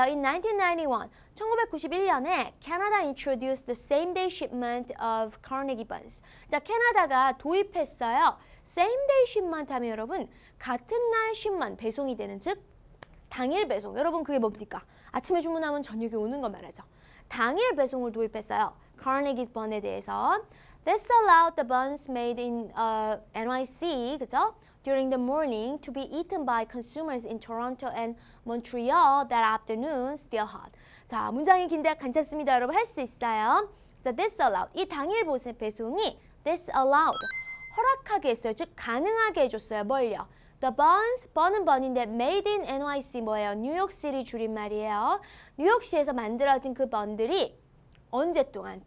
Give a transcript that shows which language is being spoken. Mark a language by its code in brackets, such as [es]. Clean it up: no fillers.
[en] In 1991, [ko] 1991년에 [en] Canada introduced the same-day shipment of Carnegie buns. [ko] 자, 캐나다가 도입했어요. [en] Same-day shipment [ko] 하면 여러분, 같은 날 shipment, 배송이 되는, 즉, 당일 배송. 여러분 그게 뭡니까? 아침에 주문하면 저녁에 오는 거 말하죠. 당일 배송을 도입했어요. Carnegie bun에 대해서. [en] This allowed the buns made in NYC, [ko] 그죠? [en] During the morning to be eaten by consumers in Toronto and Montreal that afternoon, still hot. [ko] 자, 문장이 긴데 괜찮습니다. 여러분 할 수 있어요. 자, [en] this allowed. [ko] 이 당일 배송이 this allowed. 허락하게 했어요. 즉, 가능하게 해줬어요. 뭘요? [en] The buns, [ko] bun은 bun인데 [en] made in NYC [ko] 뭐예요? New York City 줄임말이에요. 뉴욕시에서 만들어진 그 bun들이 언제 동안?